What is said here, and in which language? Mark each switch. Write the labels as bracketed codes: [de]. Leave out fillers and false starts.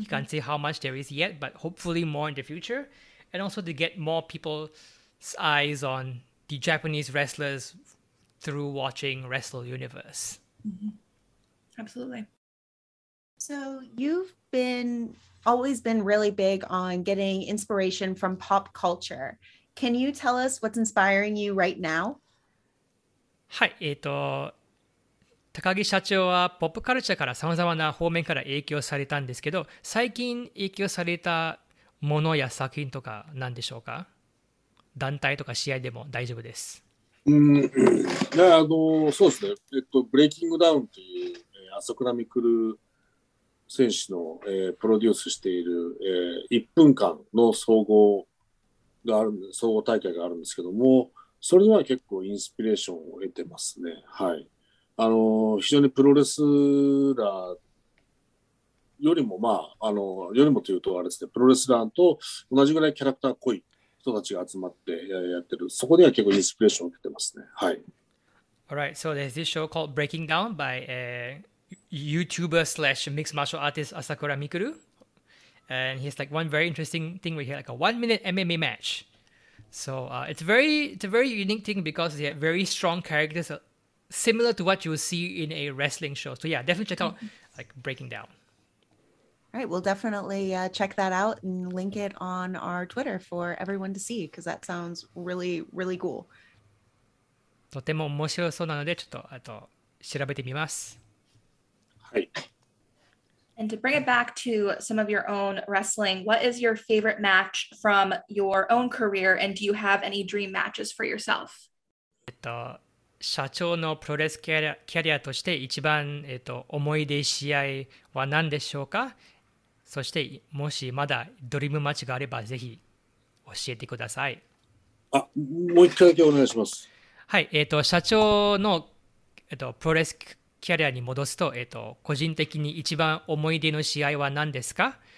[en] You can't say how much there is yet, but hopefully more in the future. And also to get more people's eyes on the Japanese wrestlers through watching Wrestle Universe. Mm-hmm. Absolutely. So you've been... always been really big on getting inspiration from pop culture. Can you tell us what's inspiring you right now? [ja] はい、高木社長はポップカルチャーからさまざまな方面から影響されたんですけど、最近影響されたものや作品とか何でしょうか？団体とか試合でも大丈夫です。そうですね。ブレイキングダウンという、浅倉未来選手の、プロデュースしている、1分間の総合大会があるんですけども、それには結構インスピレーションを得てますね。はい。非常にプロレスラーよりもまあよりもというとあれですね、プロレスラーと同じぐらいキャラクター濃い人たちが集まってやってる、そこには結構インスピレーションを受けてますね。はい。 [en] Alright, so there's this show called Breaking Down byYouTuber / mixed martial artist Asakura Mikuru, and he has like one very interesting thing where he had like a 1 minute MMA match. So it's a very unique thing because he had very strong characters similar to what you would see in a wrestling show. So yeah, definitely check out like Breaking Down. All right, we'll definitely check that out and link it on our Twitter for everyone to see, because that sounds really, really cool. [ja] とても面白そうなので、ちょっとあと調べてみます。はい。 [en] And to bring it back to some of your own wrestling, what is your favorite match from your own career, and do you have any dream matches for yourself? [ja] 社長のプロレスキャリアとして一番、思い出試合は何でしょうか? そしてもしまだドリームマッチがあればぜひ教えてください。あ、もう一回だけお願いします。はい、社長の、プロレスキャリアに戻すと、個人的に一番思い出の試合は何ですか。